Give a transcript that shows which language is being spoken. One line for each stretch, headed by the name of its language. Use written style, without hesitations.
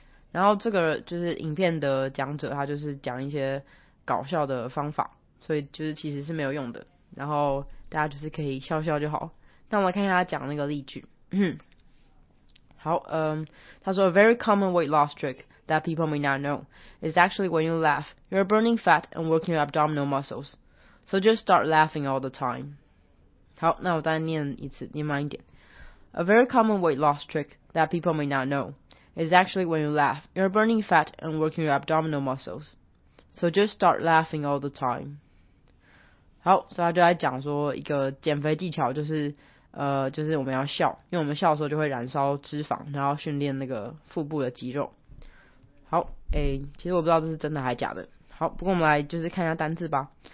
Chinese: 然后这个就是影片的讲者，他就是讲一些搞笑的方法，所以就是其实是没有用的。然后大家就是可以笑笑就好。那我们来看一下他讲那个例句。好，他说
English: ，A very common weight loss trick that people may not know is actually when you laugh, you're burning fat and working your abdominal muscles. So just start laughing all the time.
Chinese: 好，那我再念一次，念慢一点。
English: A very common weight loss trick that people may not know is actually when you laugh, you're burning fat and working your abdominal muscles. So just start laughing all the time.
Chinese: 好，所以他就在讲说一个减肥技巧，就是。就是我们要笑，因为我们笑的时候就会燃烧脂肪，然后训练那个腹部的肌肉。好，其实我不知道这是真的还假的。好，不过我们来就是看一下单字吧。